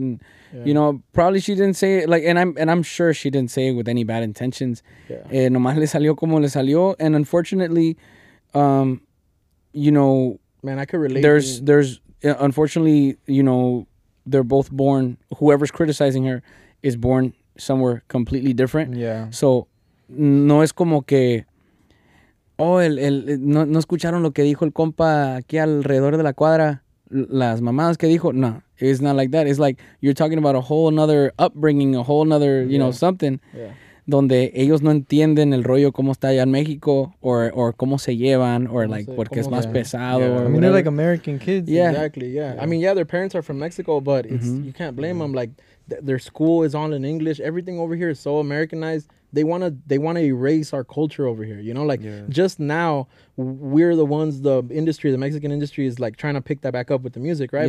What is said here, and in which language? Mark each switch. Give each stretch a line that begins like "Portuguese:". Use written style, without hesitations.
English: And you know, probably she didn't say it, like, and I'm sure she didn't say it with any bad intentions. Yeah.
Spanish: Nomás le salió como le salió,
English: and unfortunately. You know, man, I could relate. There's unfortunately, you know, they're both born, whoever's criticizing her is born somewhere completely different. Yeah.
Spanish: So no es como que, oh, el no escucharon lo que dijo el compa aquí alrededor de la cuadra, las mamadas que dijo.
English: No, it's not like that. It's like you're talking about a whole another upbringing, a whole another, you know, something. Yeah.
Spanish: Donde ellos no entienden el rollo cómo está allá en México or cómo se llevan
English: or like say,
Spanish: porque es más pesado.
English: Yeah. I mean, they're like American kids. Yeah. Exactly, yeah. I mean, yeah, their parents are from Mexico, but it's you can't blame them. Like, their school is all in English. Everything over here is so Americanized. They want to erase our culture over here, you know? Like, just now, we're the ones, the Mexican industry is, like, trying to pick that back up with the music, right?